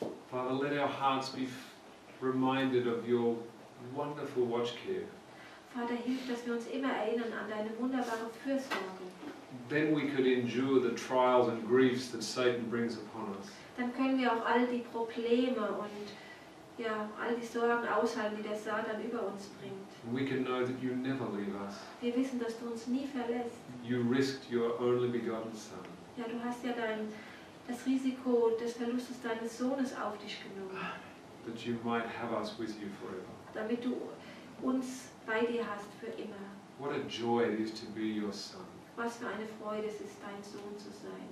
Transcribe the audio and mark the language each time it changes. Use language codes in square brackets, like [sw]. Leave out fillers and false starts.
[en] Father, let our hearts be reminded of your wonderful watch care. [de] Vater, hilf, dass wir uns immer erinnern an deine wunderbare Fürsorge. [en] Then we could endure the trials and griefs that Satan brings upon us. [de] Dann können wir auch all die Probleme und ja, all die Sorgen aushalten, die der Satan über uns bringt. [en] We can know that you never leave us. [de] Wir wissen, dass du uns nie verlässt. [en] You risked your only begotten Son. [de] Ja, du hast ja das Risiko des Verlustes deines Sohnes auf dich genommen. [en] That you might have us with you forever. [de] Damit du uns bei dir hast für immer. [en] What a joy it is to be your son. [de] Was für eine Freude es ist, dein Sohn zu sein.